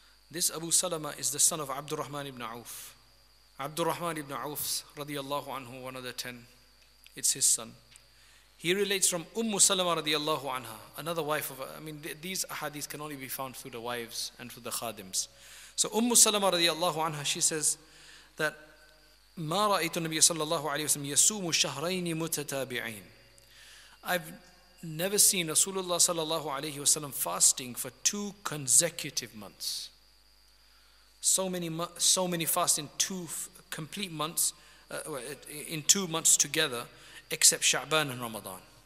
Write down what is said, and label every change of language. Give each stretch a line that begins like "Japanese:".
English: This Abu Salama is the son of Abdurrahman ibn Auf. Abdurrahman ibn Auf, radiallahu anhu, one of the 10, it's his son. He relates from Ummu Salama radiallahu anha, another wife of, I mean, these ahadith can only be found through the wives and through the khadims. So Ummu Salama radiallahu anha, she says that
Arabic: ما رأيت النبي صلى الله عليه وسلم يسوم شهرين متتابعين.
English: I've never seen Rasulullah صلى الله عليه وسلم fasting for two consecutive months. So many fast in two complete months, in 2 months together, except Sha'ban and Ramadan.